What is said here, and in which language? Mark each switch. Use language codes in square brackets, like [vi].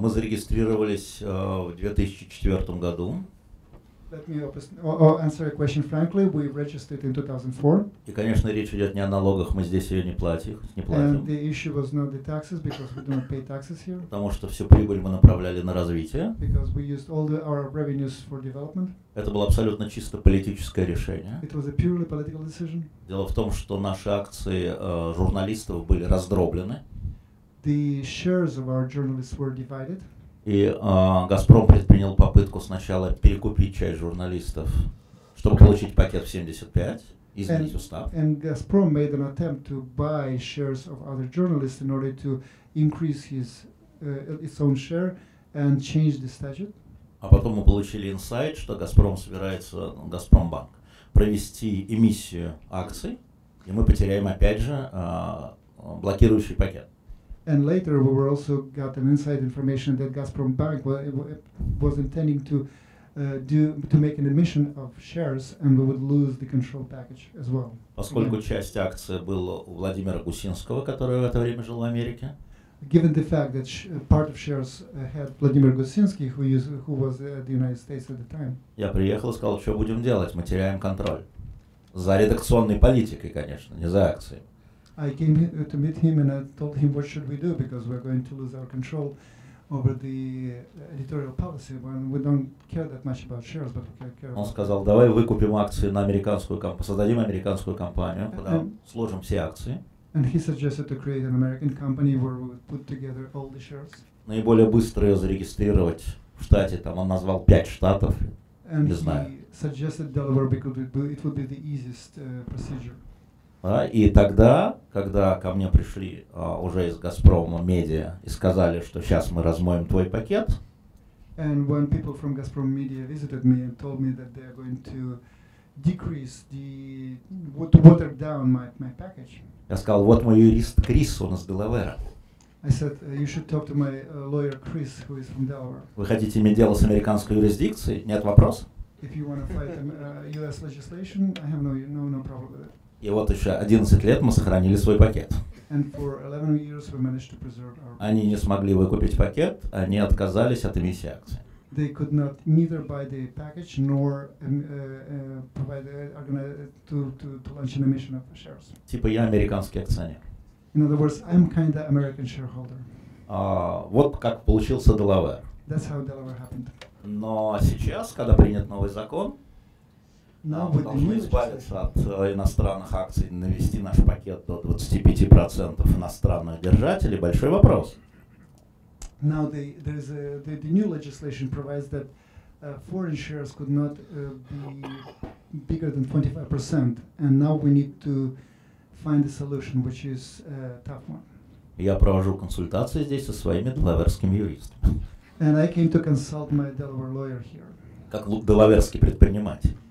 [ru] Мы зарегистрировались в 2004 году. [en] Let me answer a question frankly. We registered in 2004. [ru] И, конечно, речь идет не о налогах. Мы здесь ее не платим. [en] And the issue was not the taxes because we don't pay taxes here. [ru] Потому что всю прибыль мы направляли на развитие. [en] Because we used all our revenues for development. [ru] Это было абсолютно чисто политическое решение. [en] It was a purely political decision. [ru] Дело в том, что наши акции журналистов были раздроблены. [en] The shares of our journalists were divided. [ru] И «Газпром» предпринял попытку сначала перекупить часть журналистов, чтобы получить пакет в 75, изменить устав. [en] And «Газпром» made an attempt to buy shares of other journalists in order to increase his its own share and change the statute. [ru] А потом мы получили инсайт, что «Газпром» собирается, «Газпромбанк», провести эмиссию акций, и мы потеряем опять же блокирующий пакет. [en] And later we were also got an inside information that Gazprom Bank was intending to make an emission of shares and we would lose the control package as well. [ru] Поскольку часть акции была у Владимира Гусинского, который в это время жил в Америке. [en] Given the fact that part of shares had Vladimir Gusinsky, who was at the United States at the time. [ru] Я приехал и сказал, что будем делать? Мы теряем контроль. За редакционной политикой, конечно, не за акции. [en] I came to meet him and I told him what should we do because we're going to lose our control over the editorial policy when we don't care that much about shares but we care. [ru] Он сказал: "Давай выкупим акции на американскую компанию, создадим американскую компанию, куда сложим все акции". [en] And he suggested to create an American company where we would put together all the shares. [ru] Наиболее быстро ее зарегистрировать в штате, там он назвал 5 штатов. [en] And [ru] не знаю. [en] He suggested Delaware because it would be the easiest procedure. [ru] И тогда, когда ко мне пришли уже из «Газпрома» медиа и сказали, что сейчас мы размоем твой пакет, [en] and when people from Gazprom media visited me and told me that they are going to decrease the water down my package, [ru] я сказал, вот мой юрист Крис, он из Делавера. [en] I said you should talk to my lawyer Chris, who is from Delaware. [ru] Вы хотите иметь дело с американской юрисдикцией? Нет вопросов? [en] if you want to fight the US legislation, I have no problem with it. [ru] И вот еще 11 лет мы сохранили свой пакет. [en] And for 11 years we managed to preserve our... [ru] Они не смогли выкупить пакет, они отказались от эмиссии акций. [en] They could not neither buy the package nor provide to launch an emission of shares. [ru] Типа я американский акционер. [en] In other words, I'm kind of American shareholder. [ru] Вот как получился Делавэр. [en] That's how Delaware happened. [ru] Но сейчас, когда принят новый закон, мы должны избавиться от иностранных акций, навести наш пакет до 25% иностранных держателей. Большой вопрос. [en] Now the new legislation provides that foreign shares could not be bigger than 25%, and now we need to find a solution, which is a tough one. [ru] Я провожу консультации здесь со своими делаверскими юристами. [en] And I came to consult my Delaware lawyer here. [ru] Как делаверский предприниматель.